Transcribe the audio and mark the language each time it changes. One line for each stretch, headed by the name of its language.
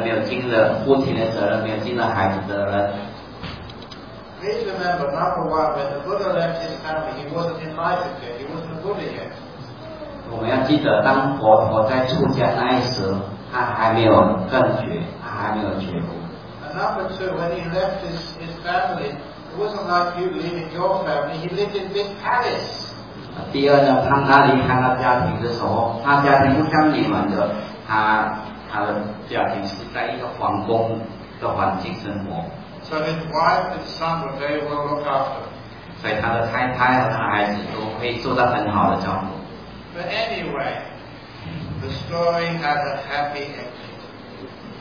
Chinese: 当佛陀离开他家出家的时候，我们可以分别说他没有尽了丈夫的责任，没有尽了父亲的责任，没有尽了孩子的责任。
English: Please remember, number one, when the Buddha left his family, he wasn't enlightened yet. He wasn't a Buddha yet.
Chinese: 我们要记得，当佛陀在出家那一时，他还没有正觉，他还没有觉悟。
English: And number two, when he left his family, it wasn't like you leaving your family. He lived in this palace.
Chinese: 第二呢，他离开他家庭的时候，他家庭不像你们的，他的家庭是在一个皇宫的环境生活。
English: So his wife and son were very well looked after.
Chinese: 所以他的太太和他的孩子都可以做到很好的照顾。
English: But anyway, the story has a happy ending.